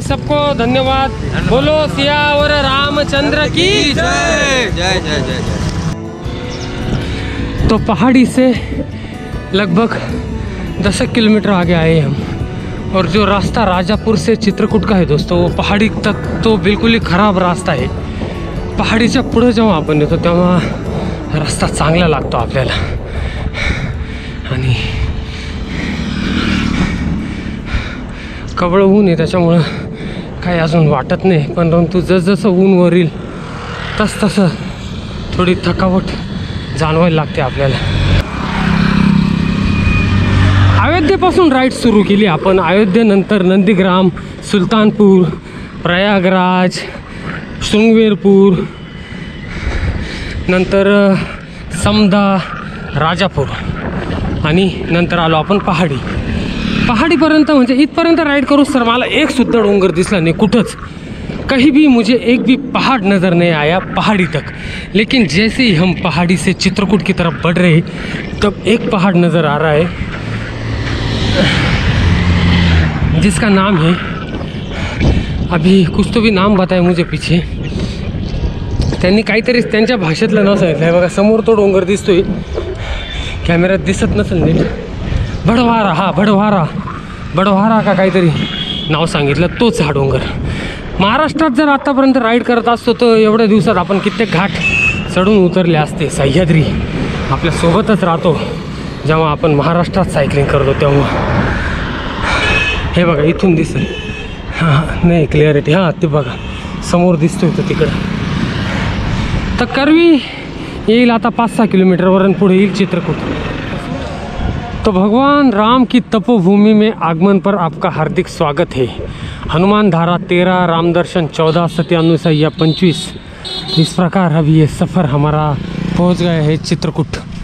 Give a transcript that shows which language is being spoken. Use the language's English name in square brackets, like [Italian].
[Hindi] सबको धन्यवाद। बोलो सियावर रामचंद्र की जय। जय जय जय जय। तो पहाड़ी से लगभग 10 किलोमीटर आगे आए हम और जो रास्ता राजापुर से चित्रकूट का है दोस्तों वो पहाड़ी तक तो बिल्कुल ही खराब रास्ता है। [Marathi] पहाड़ीच्या पुढे जाऊ आपण तो तेव्हा रस्ता चांगला लागतो आपल्याला। आणि कवळ ऊन आहे त्याच्यामुळं काही अजून वाटत नाही पण परंतु जसजसं ऊन वरील तसतसं थोडी थकावट जाणवायला लागते आपल्याला। अयोध्येपासून राईड सुरू केली आपण। अयोध्येनंतर नंदीग्राम, सुलतानपूर, प्रयागराज, शृंगवेरपूर, नंतर समदा, राजापूर आणि नंतर आलो आपण पहाडी। पहाडीपर्यंत म्हणजे इथपर्यंत राईड करू सर मला एक सुद्धा डोंगर दिसला नाही कुठंच। [Hindi] कहीं भी मुझे एक भी पहाड़ नज़र नहीं आया पहाड़ी तक। लेकिन जैसे ही हम पहाड़ी से चित्रकूट की तरफ बढ़ रहे तब एक पहाड़ नज़र आ रहा है जिसका नाम है, अभी कुछ तो भी नाम बताए मुझे पीछे [Marathi] त्यांनी काहीतरी त्यांच्या भाषेतलं नाव सांगितलं आहे। बघा समोर तो डोंगर दिसतो आहे, कॅमेऱ्यात दिसत नसेल नीट। बडवारा, हा बडवारा, बडवारा का काहीतरी नाव सांगितलं तोच हा डोंगर। महाराष्ट्रात जर आत्तापर्यंत राईड करत असतो तर एवढ्या दिवसात आपण कित्येक घाट चढ़ून उतरले असते सह्याद्री आपल्या सोबतच राहतो जेव्हा आपण महाराष्ट्रात सायकलिंग करतो तेव्हा। हे बघा इथून दिसत आहे, हां नाही क्लियरिटी, हां ते बघा समोर दिसतोय तो तिकडं, तर करवी येईल आता 5-6 किलोमीटर वरून पुढे येईल चित्रकूट। [Hindi] तो भगवान राम की तपोभूमि में आगमन पर आपका हार्दिक स्वागत है। हनुमान धारा 13, राम दर्शन 14, सत्य अनुसैया 25, इस प्रकार अभी ये सफर हमारा पहुंच गया है चित्रकूट।